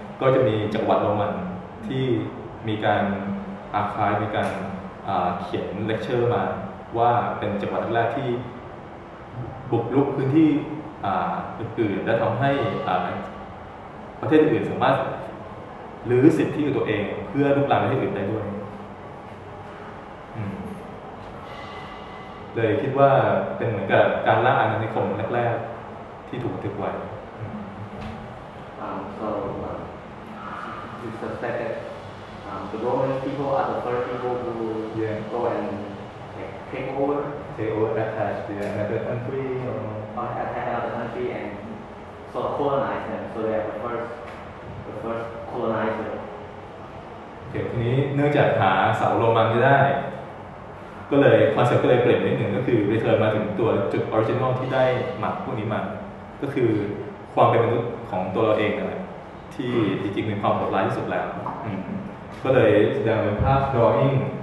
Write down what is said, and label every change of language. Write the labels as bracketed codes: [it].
[th] เพราะว่าที่มีการอาคายมีการเขียนเลคเชอร์มาว่าเป็นจังหวัดแรกที่บุกรุกพื้นที่อื่นๆและทำให้ประเทศอื่นสามารถรื้อสิทธิของตัวเองเพื่อลุกลามประเทศอื่นได้ด้วยเลยคิดว่าเป็นเหมือนกับการล่าอาณานิคมแรกๆที่ถูกบันทึกไว้ [en] You suspect that the Roman people are the first people who go and take over, attach the other country, or attack another country and sort of colonize them. So they are the first colonizer. [th] Okay, ทีนี้เนื่องจากหาเสาโรมันไม่ได้ก็เลยคอนเซ็ปต์ก็เลยเปลี่ยนนิดหนึ่งก็คือเรเทิร์นมาถึงตัวจุดออริจินอลที่ได้หมักพวกนี้มาก็คือความเป็นมนุษย์ของตัวเราเองนั่นแหละที่จริงๆมีความโหดร้ายที่สุดแล้วก็เลยแสดงเป็นภาพ drawing